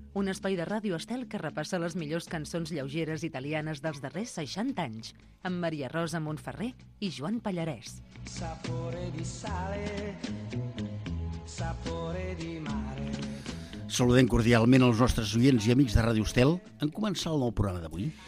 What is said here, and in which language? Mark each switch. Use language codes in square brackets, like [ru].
[ca] Un espai de ràdio estel que repassa les millors cançons lleugeres italianes dels darrers 60 anys. Amb Maria Rosa Montferrer i Joan Pallarès. [it] Sapore di sale, sapore di mare. [ca] Saludem cordialment els nostres oients i amics de Ràdio Estel en començar el nou programa d'avui.